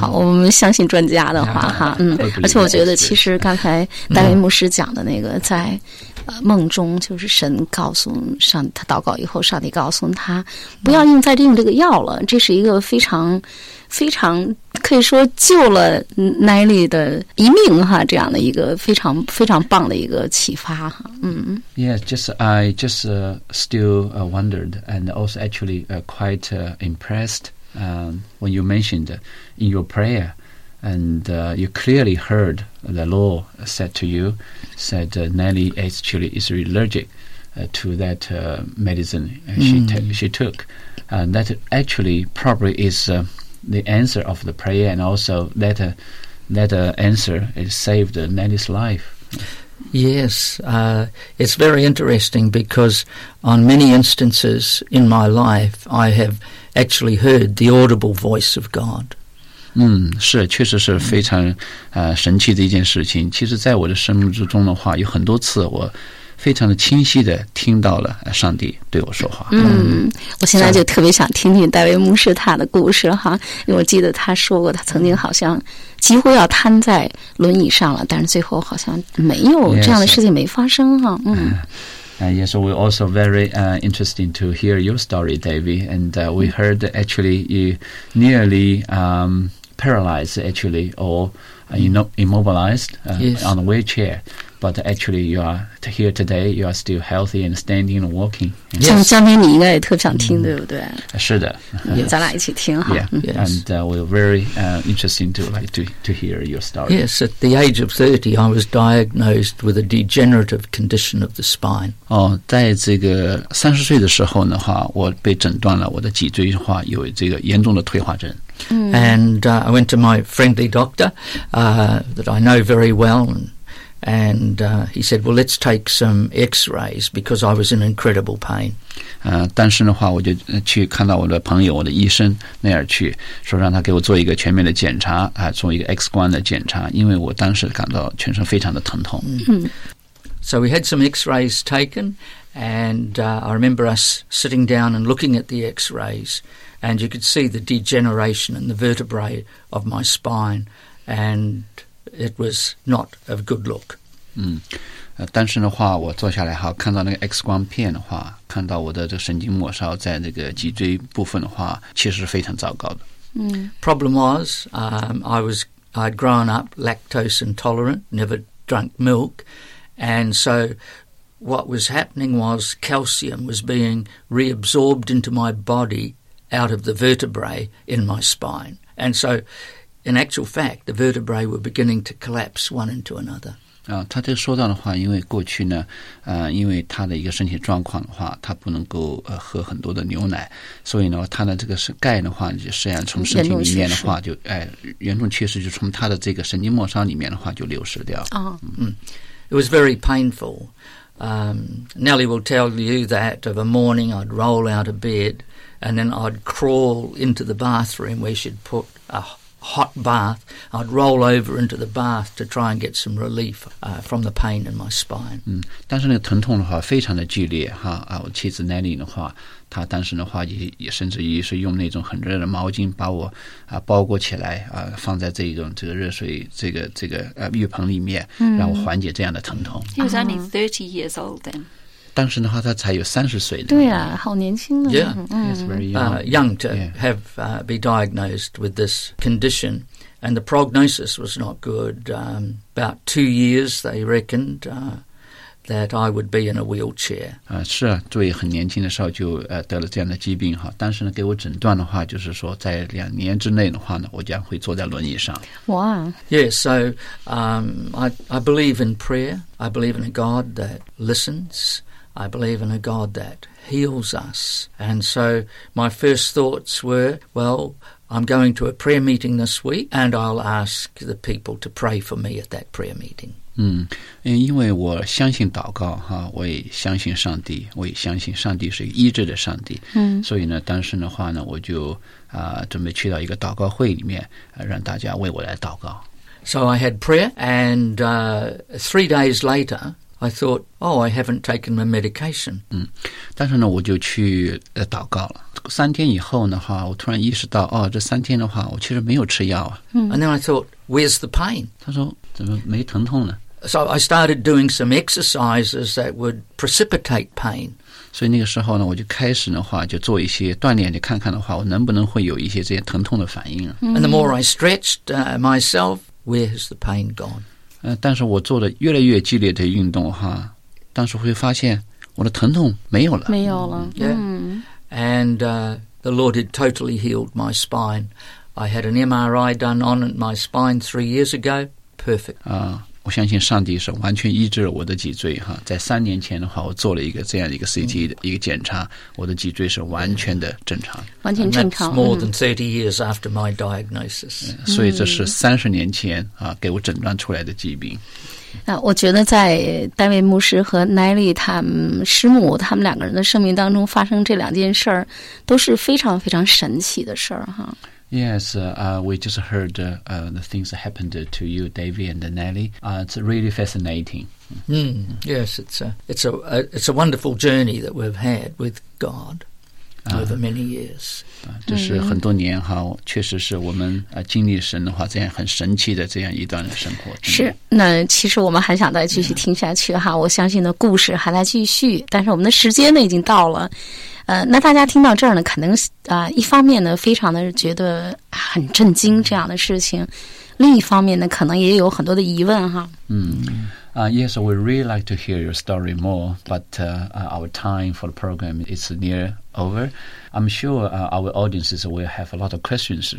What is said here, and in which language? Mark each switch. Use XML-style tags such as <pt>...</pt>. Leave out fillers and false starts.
<zh>好，我们相信专家的话哈。而且我觉得其实刚才戴维牧师讲的那个在梦中就是神告诉上他祷告以后上帝告诉他不要用再用这个药了，这是一个非常非常可以说救了 Nelly 的一命哈，这样的一个非常非常棒的一个启发哈。</zh> <en>Yeah, I just still wondered and also actually quite impressed when you mentioned in your prayer and you clearly heard the Lord said to you, said Nelly actually is allergic to that medicine she took. And that actually probably is... the answer of the prayer and also that answer it saved Nelly's life. Yes, it's very interesting because on many instances in my life I have actually heard the audible voice of God.</en> <zh>是确实是非常神奇的一件事情，其实在我的生命之中的话有很多次我非常的清晰的听到了上帝对我说话。我现在就特别想听听戴维牧师他的故事哈，因为我记得他说过他曾经好像几乎要瘫在轮椅上了，但是最后好像没有，这样的事情没发生哈。</zh> <en>Yes, we're also very interesting to hear your story, David, and we heard that actually you nearly paralyzed actually or immobilized on a wheelchair. But actually, you are here today. You are still healthy and standing and walking. Yes.</en> <zh>江天，你应该也特别想听，对不对？是的，咱俩一起听哈。</zh> <en>Yeah. And we're very interesting to hear your story. Yes, at the age of 30, I was diagnosed with a degenerative condition of the spine.</en> <zh>哦，在这个三十岁的时候的话，我被诊断了我的脊椎的话有这个严重的退化症。</zh> <en>And I went to my friendly doctor that I know very well. And he said, well, let's take some x-rays because I was in incredible pain.</en> <zh>但是的话我就去看到我的朋友我的医生那儿去说让他给我做一个全面的检查做一个 X 光的检查因为我当时感到全身非常的疼痛。</zh> <en>So we had some x-rays taken and I remember us sitting down and looking at the x-rays and you could see the degeneration in the vertebrae of my spine and... It was not a good look.</en> <zh>但是的话，我坐下来哈，看到那个 X 光片的话，看到我的这个神经末梢在那个脊椎部分的话，其实是非常糟糕的。</zh> <en>Problem was, I'd grown up lactose intolerant, never drank milk, and so what was happening was calcium was being reabsorbed into my body out of the vertebrae in my spine, and so. In actual fact, the vertebrae were beginning to collapse one into another.</en> <zh>他这说到的话，因为过去呢，因为他的一个身体状况的话，他不能够喝很多的牛奶，所以呢，他的这个钙的话，就实际上从身体里面的话，就严重缺失，就从他的这个神经末梢里面的话就流失掉。</zh> <en>It was very painful. Nellie will tell you that of a morning I'd roll out of bed and then I'd crawl into the bathroom where she'd put a. Hot bath. I'd roll over into the bath to try and get some relief from the pain in my spine.</en> <zh>但是那个疼痛的话非常的剧烈哈啊！我妻子 Nelly 的话，她当时的话也甚至于是用那种很热的毛巾把我包裹起来放在这个热水这个浴盆里面，让我缓解这样的疼痛。</zh> <en>He was only 30 years old then.</en> <zh>当时的话，他才有三十岁的。对啊，好年轻的。</zh> <en>Yeah, he's very young. Young to have be diagnosed with this condition, and the prognosis was not good. About 2 years, they reckoned that I would be in a wheelchair.</en> <zh>是啊，作为很年轻的时候就得了这样的疾病哈。当时呢，给我诊断的话，就是说在两年之内的话呢，我将会坐在轮椅上。哇。</zh> <en>Yeah, so I believe in prayer. I believe in a God that listens. I believe in a God that heals us. And so my first thoughts were, well, I'm going to a prayer meeting this week, and I'll ask the people to pray for me at that prayer meeting.</en> <zh>因为我相信祷告哈，我也相信上帝，我也相信上帝是医治的上帝。所以呢，当时的话呢，我就准备去到一个祷告会里面，让大家为我来祷告。</zh> <en>So I had prayer, and 3 days later,I thought, oh, I haven't taken my medication.</en> <zh>但是呢，我就去祷告了。三天以后的话，我突然意识到，哦，这三天的话，我其实没有吃药啊。</zh> <en>And then I thought, where's the pain?</en> <zh>他说，怎么没疼痛呢？</zh> <en>So I started doing some exercises that would precipitate pain.</en> <zh>所以那个时候呢，我就开始的话，就做一些锻炼，就看看的话，我能不能会有一些这些疼痛的反应啊。</zh> <en>And the more I stretched myself, where has the pain gone?</en> <zh>但是我做的越来越激烈的运动哈，当时会发现我的疼痛没有了，没有了。</zh> <en>Yeah. And the Lord had totally healed my spine. I had an MRI done on my spine 3 years ago. Perfect.</en> <zh>我相信上帝是完全医治了我的脊椎哈。在3年前的话，我做了一个这样一个 CT 的一个检查，我的脊椎是完全的正常，完全正常。</zh> <en>That's more than 30 years after my diagnosis.</en> <zh>所以这是30年前给我诊断出来的疾病。我觉得在戴维牧师和 Nelly 他们师母他们两个人的生命当中发生这两件事儿，都是非常非常神奇的事儿哈。</zh> <en>Yes, we just heard the things that happened to you, Davy and Nelly. It's really fascinating. Yes, it's a wonderful journey that we've had with God over many years.</en> <zh>这是很多年哈，确实是我们经历神的话，这样很神奇的这样一段生活。是，那其实我们还想再继续听下去哈。我相信呢，故事还在继续，但是我们的时间呢已经到了。那大家听到这儿呢，可能一方面呢，非常的觉得很震惊这样的事情；另一方面呢，可能也有很多的疑问哈。</zh> <en>Yes, we'd really like to hear your story more, but our time for the program is near over. I'm sure our audiences will have a lot of questions.</en>